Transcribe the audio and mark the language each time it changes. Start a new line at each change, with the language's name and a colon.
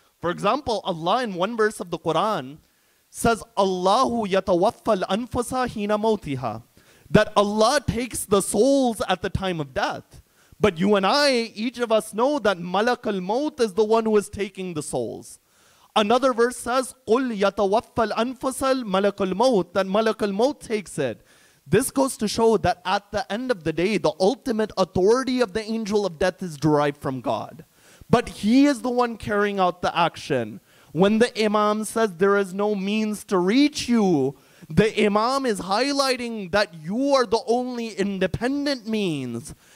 English: For example, Allah in one verse of the Quran says,
Arabic: Allahu yatawaffa al-anfusa hina mawtiha.
English: That Allah takes the souls at the time of death. But you and I, each of us know that Malak al-Mawt is the one who is taking the souls. Another verse says,
Arabic: قُلْ يَتَوَفَّ الْأَنفُسَ الْمَلَكُ الْمَوْتِ.
English: That Malak al-Mawt takes it. This goes to show that at the end of the day, the ultimate authority of the angel of death is derived from God. But he is the one carrying out the action. When the imam says there is no means to reach you, the imam is highlighting that you are the only independent means.